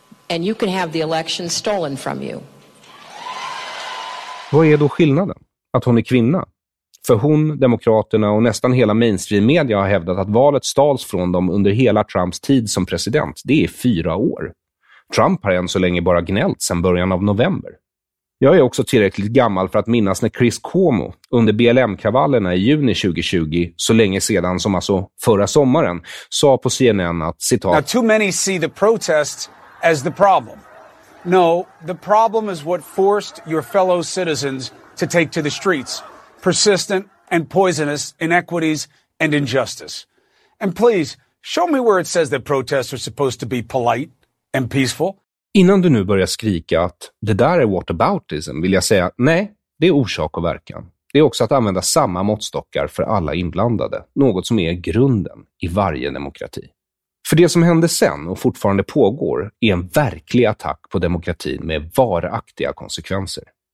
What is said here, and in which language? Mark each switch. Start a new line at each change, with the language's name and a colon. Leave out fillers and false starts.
English: And you can have the election stolen from you."
Swedish: Vad är då skillnaden? Att hon är kvinna? För hon, demokraterna och nästan hela mainstream-media har hävdat att valet stals från dem under hela Trumps tid som president. Det är 4 år. Trump har än så länge bara gnällt sedan början av november. Jag är också tillräckligt gammal för att minnas när Chris Cuomo under BLM-kravallerna i juni 2020, så länge sedan som alltså förra sommaren, sa på CNN att, citat:
English: "Now too many see the protests as the problem. No, the problem is what forced your fellow citizens to take to the streets. Persistent and poisonous inequities and injustice. And please, show me where it says that protests are supposed to be polite and peaceful."
Swedish: Innan du nu börjar skrika att det där är whataboutism vill jag säga nej, det är orsak och verkan. Det är också att använda samma måttstockar för alla inblandade, något som är grunden i varje demokrati. För det som hände sen och fortfarande pågår är en verklig attack på demokratin med varaktiga konsekvenser.